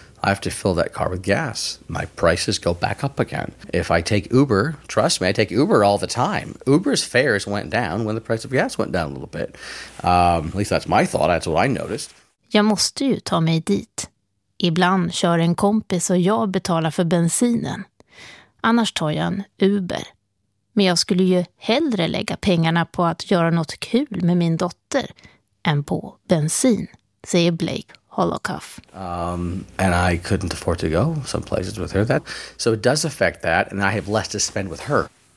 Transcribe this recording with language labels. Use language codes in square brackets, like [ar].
[en] I have to fill that car with gas. My prices go back up again. If I take Uber, trust me, I take Uber all the time. Uber's fares went down when the price of gas went down a little bit. At least that's my thought. That's what I noticed. [sv] Jag måste ju ta mig dit. Ibland kör en kompis och jag betalar för bensinen. Annars tar jag en Uber. Men jag skulle ju hellre lägga pengarna på att göra något kul med min dotter än på bensin, säger Blake Holocoff. [en] And I couldn't afford to go some places with her. That, so it does affect that, and I have less to spend with her.